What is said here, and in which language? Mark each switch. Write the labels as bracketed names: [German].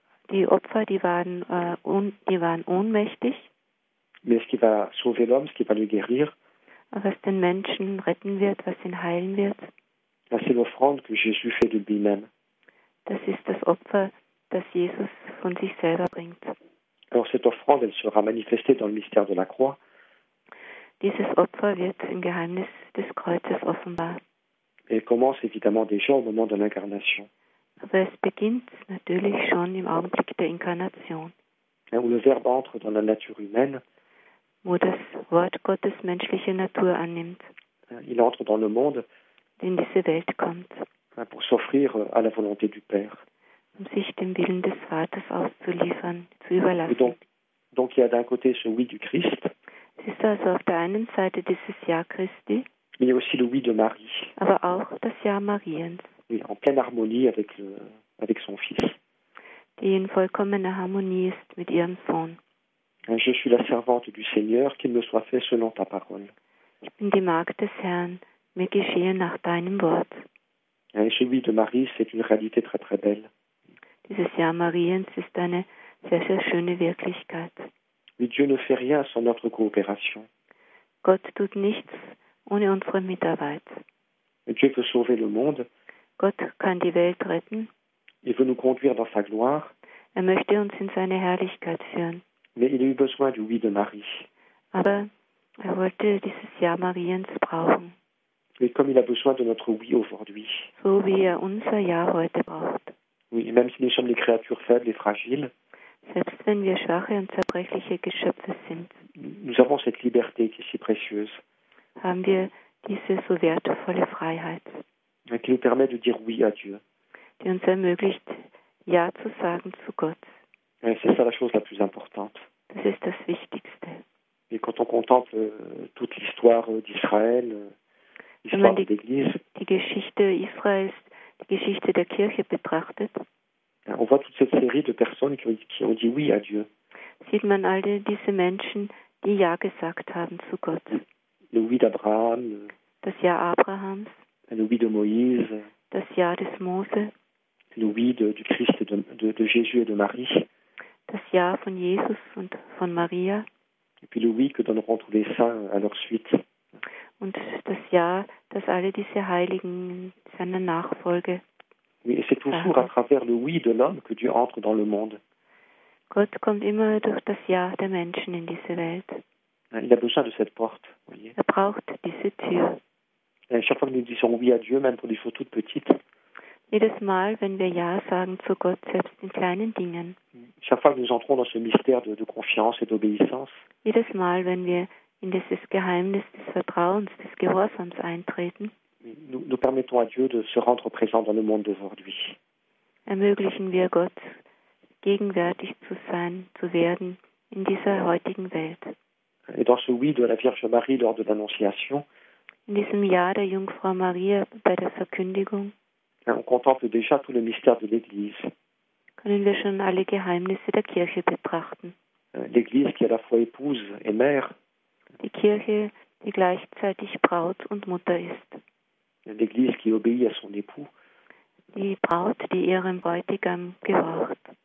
[German] Die Opfer, die waren ohnmächtig. [French] Mais ce qui va sauver l'homme, ce qui va le guérir. [German] Was den Menschen retten wird, was ihn heilen wird. [French] C'est l'offrande que Jésus fait de lui-même. [German] Das ist das Opfer, das Jesus von sich selber bringt. [French] Alors cette offrande, elle sera manifestée dans le mystère de la croix. [German] Dieses Opfer wird im Geheimnis des Kreuzes offenbar. [French] Et commence évidemment déjà au moment de l'incarnation. [German] Aber es beginnt natürlich schon im Augenblick der Inkarnation. [French] Où le Verbe entre dans la nature humaine. [German] Wo das Wort Gottes menschliche Natur annimmt. [French] Il entre dans le monde. [German] In diese Welt kommt. [French] Pour s'offrir à la volonté du Père. [German] Um sich dem Willen des Vaters auszuliefern, zu überlassen. [French] Donc il y a d'un côté ce oui du Christ. [German] Es ist also auf der einen Seite dieses Ja Christi. [French] Mais il y a aussi le oui de Marie. [German] Aber auch das Ja Mariens. [French] Oui, en pleine harmonie avec son fils. [German] Die in vollkommener Harmonie ist mit ihrem Sohn. [French] Je suis la servante du Seigneur, qu'il me soit fait selon ta parole. [German] Ich bin die Magd des Herrn, mir geschehe nach deinem Wort. [French] Et celui de Marie, c'est une réalité très très belle. [German] Dieses Jahr Mariens ist eine sehr sehr schöne Wirklichkeit. [French] Mais Dieu ne fait rien sans notre coopération. [German] Gott tut nichts ohne unsere Mitarbeit. [French] Et Dieu peut sauver le monde. [German] Gott kann die Welt retten. [French] Il veut nous conduire dans sa gloire. [German] Er möchte uns in seine Herrlichkeit führen. [French] Mais il a eu besoin du oui de Marie. [German] Aber er wollte dieses Ja Mariens brauchen. [French] Et comme il a besoin de notre oui aujourd'hui. [German] So wie er unser Ja heute braucht. [French] Oui, et même si nous sommes des créatures faibles et fragiles. [German] Selbst wenn wir schwache und zerbrechliche Geschöpfe sind. [French] Nous avons cette liberté qui est si précieuse. [German] Haben wir diese so wertvolle Freiheit. [French] Et qui nous permet de dire oui à Dieu. [German] Die uns ermöglicht, Ja zu sagen zu Gott. [French] Et c'est ça la chose la plus importante. [German] Das ist das Wichtigste. [French] Et quand on contemple toute l'histoire d'Israël, l'histoire de l'Église, [German] die Geschichte Israels, die Geschichte der Kirche betrachtet, [French] on voit toute cette série de personnes qui ont dit oui à Dieu. [German] Sieht man all diese Menschen, die Ja gesagt haben zu Gott. [French] Le oui d'Abraham. [German] Das Ja Abrahams. [French] Le oui de Moïse. [German] Das Ja des Mose. [French] Le oui du Christ, de Jésus et de Marie. [German] Das Ja von Jesus und von Maria. [French] Et puis le oui que donneront tous les saints à leur suite. [German] Und das Ja, das alle diese Heiligen seiner Nachfolge. [French] Oui, et c'est toujours à travers le oui de l'homme que Dieu entre dans le monde. [German] Gott kommt immer durch das Ja der Menschen in diese Welt. [French] Il a besoin de cette porte. Voyez. [German] Er braucht diese Tür. [French] Et chaque fois que nous disons oui à Dieu, même pour des choses toutes petites. [German] Jedes Mal, wenn wir Ja sagen zu Gott, selbst in kleinen Dingen. [French] Chaque fois que nous entrons dans ce mystère de confiance et d'obéissance. [German] Jedes Mal, wenn wir in dieses Geheimnis des Vertrauens, des Gehorsams eintreten. [French] Nous permettons à Dieu de se rendre présent dans le monde d'aujourd'hui. [German] Ermöglichen wir Gott, gegenwärtig zu sein, zu werden in dieser heutigen Welt. [French] Et dans ce oui de la Vierge Marie lors de l'Annonciation. [German] In diesem Ja der Jungfrau Maria bei der Verkündigung. [French] On contemple déjà tout le mystère de l'Église. [German] Können wir schon alle Geheimnisse der Kirche betrachten. [French] L'Église qui est à la fois épouse et mère. [German] Die Kirche, die gleichzeitig Braut und Mutter ist. [French] L'Église qui obéit à son époux. [German] Die Braut, die ihrem Bräutigam gehorcht.